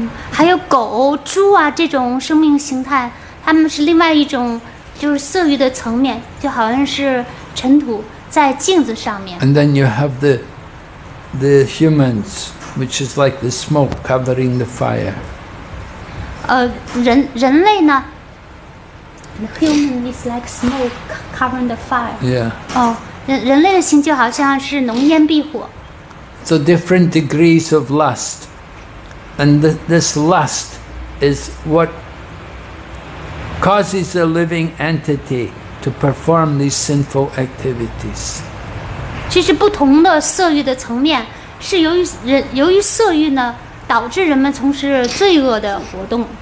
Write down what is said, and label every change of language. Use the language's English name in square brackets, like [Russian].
[Chinese] 还有狗、猪啊这种生命形态，它们是另外一种就是色欲的层面，就好像是尘土在镜子上面。 [English] And then you have the humans, which is like the smoke covering the fire. [Chinese] 人类呢? [English] The human is like smoke covering the fire. Yeah. [Chinese] 人类的心就好像是浓烟蔽火。 [English] So different degrees of lust. And this lust is what causes a living entity to perform these sinful activities. [Chinese] 其实不同的色欲的层面 是由于色欲呢，导致人们从事罪恶的活动。